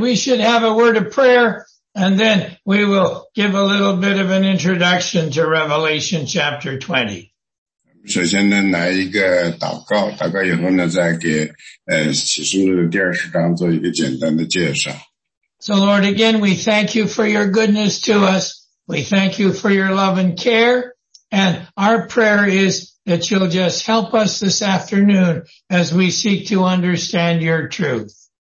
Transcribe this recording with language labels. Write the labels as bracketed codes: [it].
[en] We should have a word of prayer, and then we will give a little bit of an introduction to Revelation chapter 20. [zh] 首先呢，来一个祷告，祷告以后呢，再给《启示录》第二十章做一个简单的介绍。 [en] So Lord, again, we thank you for your goodness to us. We thank you for your love and care. And our prayer is that you'll just help us this afternoon as we seek to understand your truth.